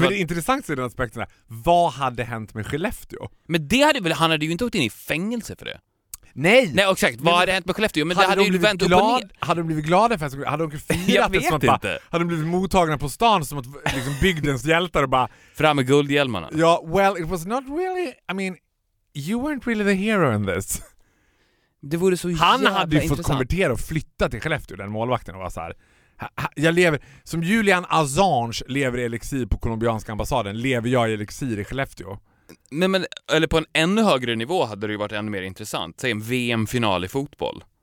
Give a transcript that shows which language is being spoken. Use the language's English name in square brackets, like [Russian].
[Swedish] Men det intressanta i den aspekten är, vad hade hänt med Skellefteå? Men det hade väl, han hade ju inte åkt in i fängelse för det. Nej. Nej, exakt. Vad hade hänt med Skellefteå? Men hade det hade ju vänt upp och ner. Hade de blivit glada för att hade de firat det som att inte. Hade de blivit mottagna på stan som att liksom bygdens hjältar och bara fram med guldhjälmarna. Ja, [English] well, it was not really, I mean, you weren't really the hero in this. [Swedish] Det vore så han hade ju fått konvertera och flytta till Skellefteå, den målvakten, och var så här, Jag lever som Julian Assange lever i elixir på colombianska ambassaden, lever jag i elixir i Skellefteå. Nej, men eller på en ännu högre nivå hade det ju varit ännu mer intressant. Säg en VM-final i fotboll.